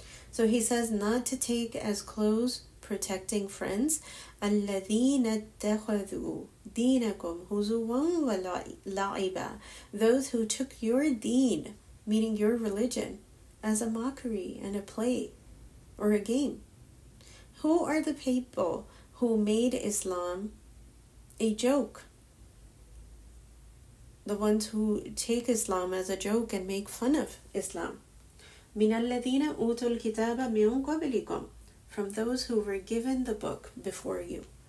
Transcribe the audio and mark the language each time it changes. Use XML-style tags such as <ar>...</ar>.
<en>So he says not to take as close protecting friends</en> <ar>الَّذِينَ اتَّخَذُوا دِينَكُمْ هُزُوًا وَلَعِبًا,</ar> <en>those who took your deen, meaning your religion, as a mockery and a play or a game. Who are the people who made Islam a joke. The ones who take Islam as a joke and make fun of Islam.</en> <ar>من الذين أوتوا الكتاب من قبلكم.</ar> <en>From those who were given the book before you.</en>